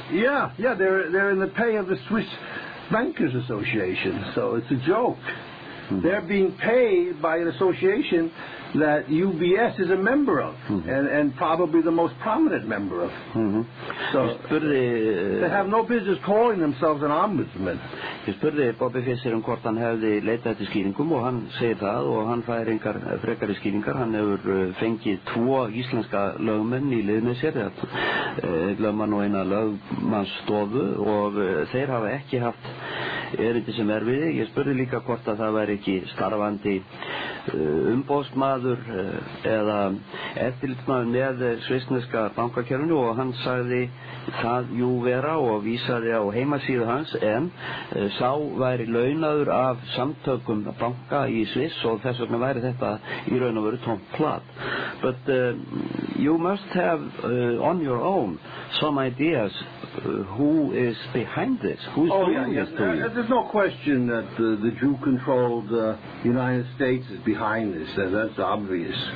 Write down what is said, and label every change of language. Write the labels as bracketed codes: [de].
[en] They're in the pay of the Swiss Bankers Association, so it's a joke. Mm-hmm. They're being paid by an association that UBS is a member of, mm-hmm. and probably the most prominent member of. Mm-hmm. So they have no business calling themselves an ombudsman. [is] Ég spurði Bobby Fischer hvort hann hefði leitað eftir skýringum og hann segir það og hann fær engar frekari skýringar. Hann hefur fengið tvo íslenska lögmenn í lið með sér, lögmann og eina lögmannsstofu og þeir hafa ekki haft erindi sem erfiði. Ég spurði líka hvort að það væri ekki starfandi umboðsmaður eða eftirlitsmaður með svissneska bankakerfinu og hann sagði það jú vera og vísaði á heimasíðu hans en sá væri launaður af samtökum banka í Sviss og þess vegna væri þetta í raun og veru tómt plat. [en] But you must have on your own some ideas who is behind this. Who's oh, yeah, yes. There's no question that the Jew-controlled United States is behind this. That's obvious.